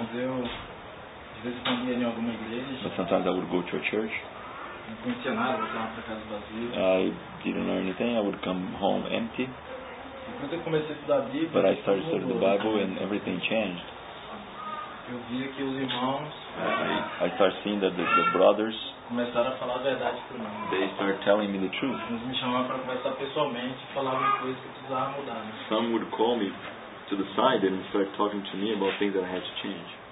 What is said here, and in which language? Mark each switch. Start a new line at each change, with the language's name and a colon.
Portuguese: Mas eu, de vez em quando, ia em alguma igreja.
English: But sometimes I would go to a church.
Portuguese: Não conhecia nada, voltava para casa vazia.
English: I didn't know anything. I would come home empty.
Portuguese: Quando eu comecei a estudar a Bíblia,
English: but I started studying the Bible and everything changed.
Portuguese: Eu vi que os irmãos.
English: I started seeing that the brothers.
Portuguese: Começaram a falar a verdade para mim.
English: They started telling me the truth.
Portuguese: Eles me chamavam para conversar pessoalmente, falar uma coisa que precisava mudar. Né?
English: Some would call me to the side and start talking to me about things that I had to change.